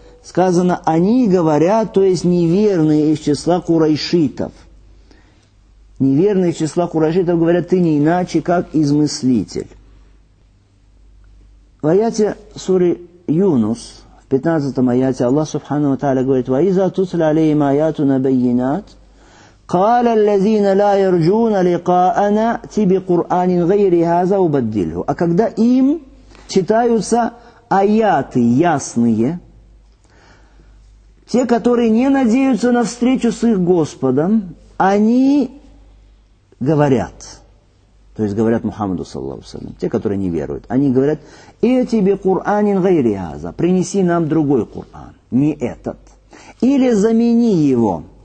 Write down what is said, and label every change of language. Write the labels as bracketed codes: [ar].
[ru] Сказано, они говорят, то есть неверные из числа курайшитов. Неверные из числа курайшитов говорят, ты не иначе, как измыслитель. В аяте суры Юнус, в 15 аяте, Аллах Субхану ва Тааля говорит, [ar] «Ваиза тусля алейм аяту набайинат, قال الذين لا يرجون لقاءنا أتي بقرآن غير هذا وبدله. [ru] А когда им читаются аяты ясные, те, которые не надеются на встречу с их Господом, они говорят, то есть говорят Мухаммаду, саллаллаху алейхи ва саллям, те, которые не веруют, они говорят, [ar] «Эти би Кур'анин гайри аза», [ru] принеси нам другой Кур'ан, не этот, или замени его.